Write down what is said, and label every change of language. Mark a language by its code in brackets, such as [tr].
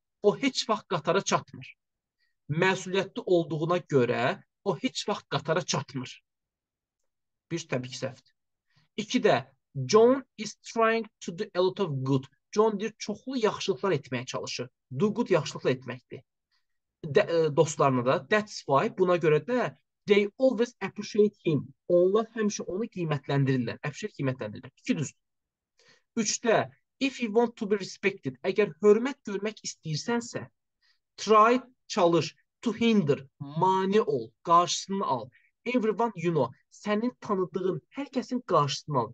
[az] O heç vaxt qatara çatmır. Məsuliyyətli olduğuna görə, o heç vaxt qatara çatmır. Bir, təbii ki, səhvdir. İki də, [en] John is trying to do a lot of good. [az] John deyir, çoxlu yaxşılıqlar etməyə çalışır. Do good yaxşılıqla etməkdir. Dostlarına da. [en] That's why, [az] buna görə də, [en] they always appreciate him. [az] Onlar həmişə onu qiymətləndirirlər. Appreciate qiymətləndirirlər. İki düzdür. [en] Üçdə, if you want to be respected, [az] əgər hörmət görmək istəyirsənsə, [en] try, çalış, to hinder, [az] mani ol, qarşısını al. [en] Everyone you know. [az] Sənin tanıdığın hər kəsin qarşısını al.